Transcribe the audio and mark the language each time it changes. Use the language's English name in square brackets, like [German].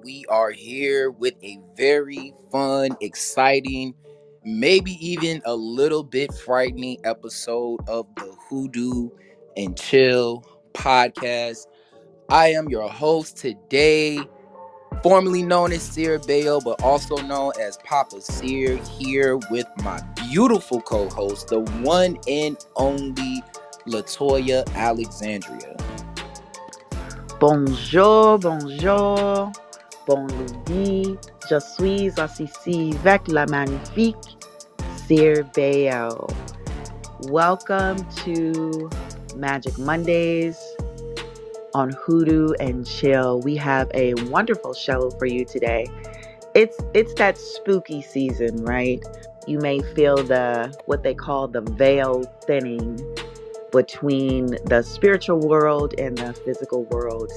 [English] We are here with a very fun, exciting, maybe even a little bit frightening episode of the Hoodoo and Chill podcast. I am your host today, formerly known as Seer Bayo, but also known as Papa Seer, here with my beautiful co-host, the one and only LaToya Alexandria. [French] Bonjour, bonjour, bon lundi, je suis assise avec la magnifique Seer Bayo. [English] Welcome to Magic Mondays on Hoodoo and Chill. We have a wonderful show for you today. It's that spooky season, right? You may feel the, what they call the veil thinning between the spiritual world and the physical world.